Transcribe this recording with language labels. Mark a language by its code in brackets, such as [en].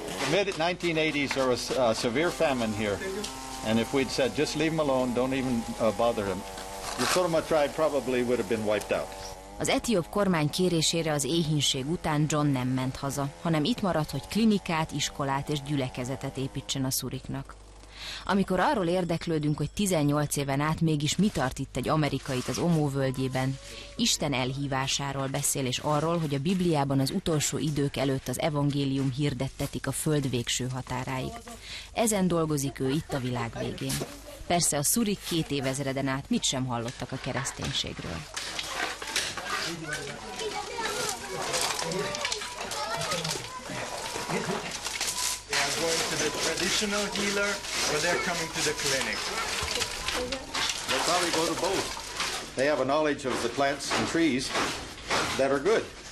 [en] Mid-1980s, there was a severe famine here. And if we'd said, just leave them alone, don't even bother them, the Surma tribe probably would have been wiped out. [hu] Az etióp kormány kérésére az éhínség után John nem ment haza, hanem itt maradt, hogy klinikát, iskolát és gyülekezetet építsen a szuriknak. Amikor arról érdeklődünk, hogy 18 éven át mégis mi tart itt egy amerikait az Omó völgyében, Isten elhívásáról beszél és arról, hogy a Bibliában az utolsó idők előtt az evangélium hirdettetik a föld végső határáig. Ezen dolgozik ő itt a világ végén. Persze a szurik 2000-en át mit sem hallottak a kereszténységről. [en] They are going to the traditional healer, or they're coming to the clinic. They probably go to both. They have a knowledge of the plants and trees that are good.